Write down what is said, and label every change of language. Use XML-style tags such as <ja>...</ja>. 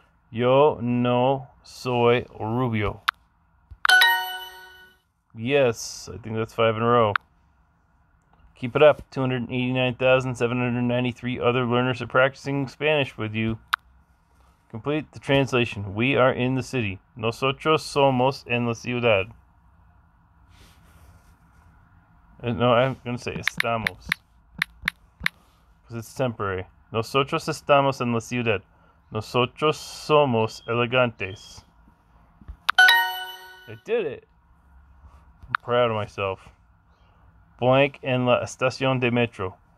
<es>Yo no soy rubio.</es> <en>Yes, I think that's 5 in a row. Keep it up. 289,793 other learners are practicing Spanish with you. Complete the translation. We are in the city.</en> <es>Nosotros somos en la ciudad.</es> <en>No, I'm going to say estamos. Because it's temporary.</en> <es>Nosotros estamos en la ciudad. Nosotros somos elegantes.</es> <en>I did it. I'm proud of myself. Blank</en> <es>en la estación de metro.</es>